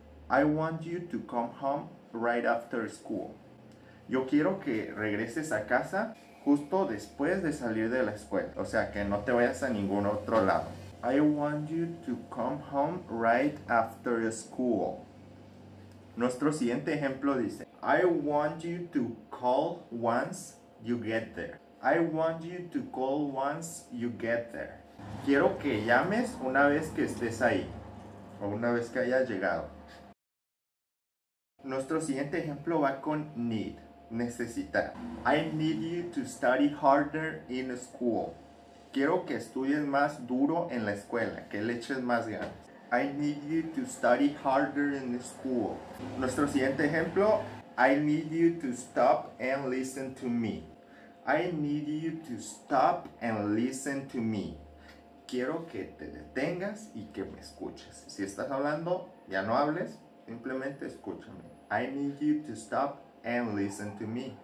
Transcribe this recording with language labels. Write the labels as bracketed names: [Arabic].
[English] I want you to come home right after school. [Spanish] Yo quiero que regreses a casa justo después de salir de la escuela. O sea, que no te vayas a ningún otro lado. [English] I want you to come home right after school. [Spanish] Nuestro siguiente ejemplo dice: [English] I want you to call once you get there. I want you to call once you get there. [Spanish] Quiero que llames una vez que estés ahí, o una vez que hayas llegado. Nuestro siguiente ejemplo va con need, necesitar. [English] I need you to study harder in school. [Spanish] Quiero que estudies más duro en la escuela, que le eches más ganas. [English] I need you to study harder in school. [Spanish] Nuestro siguiente ejemplo, [English] I need you to stop and listen to me. I need you to stop and listen to me. [Spanish] Quiero que te detengas y que me escuches. Si estás hablando, ya no hables, simplemente escúchame. [English] I need you to stop and listen to me.